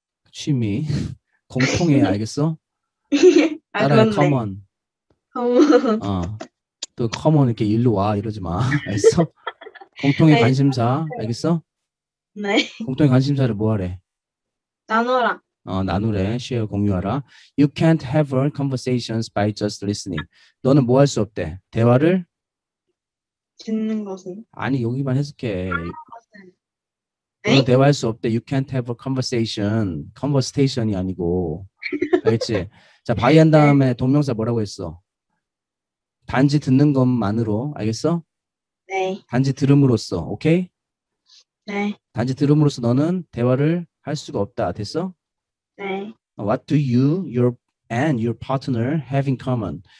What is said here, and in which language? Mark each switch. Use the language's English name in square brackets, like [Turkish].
[Korean] 취미. 공통해. 알겠어? 따라해. 아, [English] common. Common. 어. [Korean] 또 커먼 이렇게 일로 와 이러지 마. 알겠어? 공통의 아니, 관심사. 알겠어? 네. 공통의 관심사를 뭐하래? 나누라. 어, 나누래. Share, 공유하라. [English] You can't have a conversation by just listening. [Korean] 너는 뭐 할 수 없대? 대화를? 듣는 것은? 아니, 여기만 해석해. 너는 대화할 수 없대. [English] You can't have a conversation. Conversation이 아니고. [Korean] 알겠지? 자, 바이 한 다음에 동명사 뭐라고 했어? 단지 듣는 것만으로, 알겠어? 네. 단지 들음으로써, 오케이? 네. 단지 들음으로써 너는 대화를 할 수가 없다, 됐어? 네. [English] What do you, your, and your partner have in common?